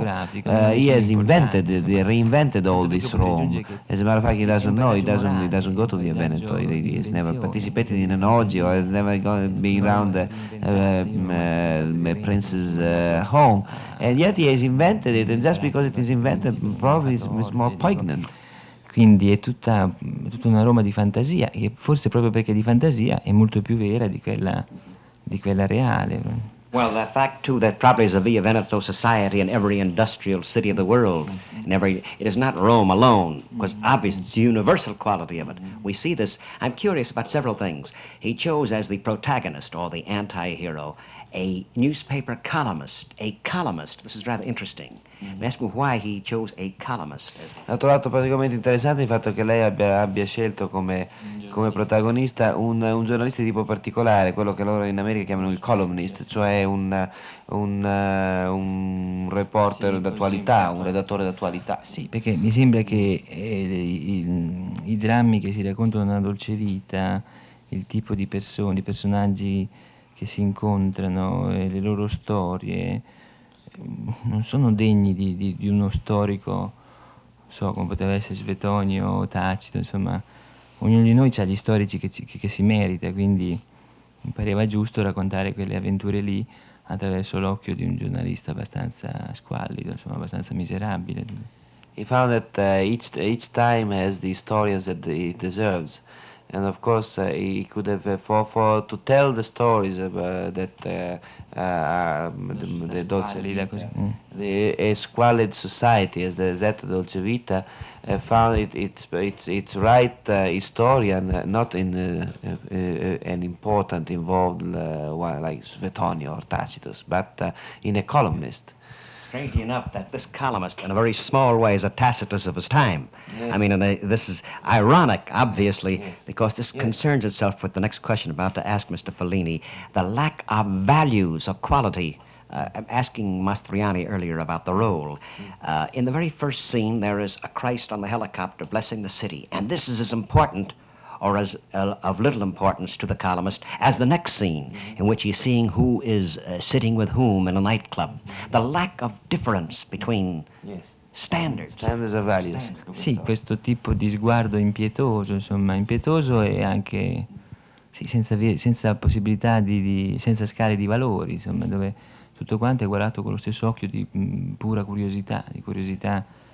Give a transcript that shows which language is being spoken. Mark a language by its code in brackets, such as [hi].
[en] He reinvented all this Rome. As a matter of fact, he doesn't go to Via Veneto. He's never participated in an orgy or has never been around the prince's home. And yet he has invented it, and just because it is invented, probably it's more poignant. [it] Quindi è tutta una Roma di fantasia, che forse proprio perché di fantasia è molto più vera di quella reale. [en] Well, the fact too that probably is a Via Veneto society in every industrial city of the world, and it is not Rome alone, because obviously it's the universal quality of it. We see this. I'm curious about several things. He chose as the protagonist or the anti-hero a newspaper columnist. A columnist. This is rather interesting. Why he chose a columnist. [it] Ha trovato praticamente interessante il fatto che lei abbia scelto come protagonista un giornalista di tipo particolare, quello che loro in America chiamano il columnist, cioè un reporter d'attualità, un redattore d'attualità. Sì, perché mi sembra che i drammi che si raccontano nella Dolce Vita, il tipo di persone, i personaggi che si incontrano e le loro storie, non sono degni di uno storico, non so, come poteva essere Svetonio o Tacito, insomma, ognuno di noi ha gli storici che si merita, quindi mi pareva giusto raccontare quelle avventure lì attraverso l'occhio di un giornalista abbastanza squallido, insomma, abbastanza miserabile. [en] He found that each time has the stories that he deserves. And of course, he could have for to tell the stories the squalid society as that Dolce Vita found it's right historian not in an important involved one like Svetonio or Tacitus, but in a columnist. Strangely enough, that this columnist, in a very small way, is a Tacitus of his time. Yes. I mean, this is ironic, obviously, because this concerns itself with the next question about to ask Mr. Fellini, the lack of values of quality. I'm asking Mastroianni earlier about the role. In the very first scene, there is a Christ on the helicopter blessing the city, and this is as important or as of little importance to the columnist as the next scene in which he's seeing who is sitting with whom in a nightclub. The lack of difference between standards and values. [it] Sì, questo tipo di sguardo impietoso, insomma, impietoso e anche sì, senza possibilità di senza scale di valori, insomma, dove tutto quanto è guardato con lo stesso occhio di pura curiosità, di curiosità.